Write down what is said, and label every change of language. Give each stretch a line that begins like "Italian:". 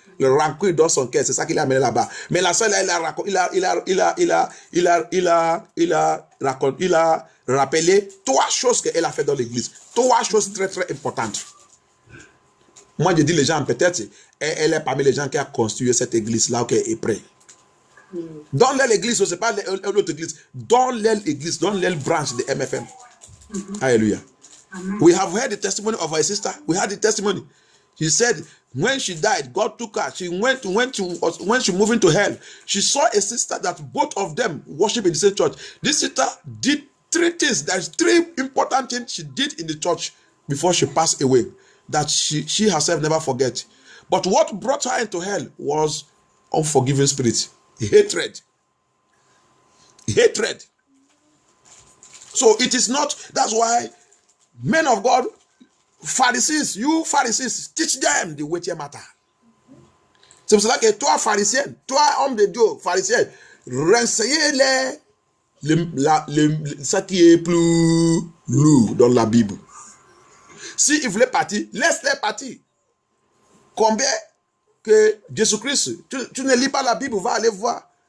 French: Le rancœur dans son cœur, c'est ça qu'il a amené là-bas. Mais la sœur, il a rappelé trois choses qu'elle a fait dans l'église. Trois choses très très importantes. Moi, je dis les gens, peut-être, elle est parmi les gens qui a construit cette église là où elle est prête. Dans l'église, ce n'est pas l'autre église. Dans l'église, dans l'autre branche de MFM. Alléluia.
English: We have heard the testimony of our sister. We had the testimony. She said, when she died, God took her. She when she moved into hell, she saw a sister that both of them worship in the same church. This sister did three things. There's three important things she did in the church before she passed away that she herself never forget. But what brought her into hell was unforgiving spirit, hatred. hatred. So it is not, that's why men of God, Pharisees, you Pharisees, teach them the weightier matter.
French: C'est pour cela que toi, Pharisien, toi, homme de Dieu, Pharisien, renseignez-les ce qui est plus lourd dans la Bible. S'ils voulaient partir, laisse-les partir. Combien que Jésus-Christ, tu ne lis pas la Bible, va aller voir.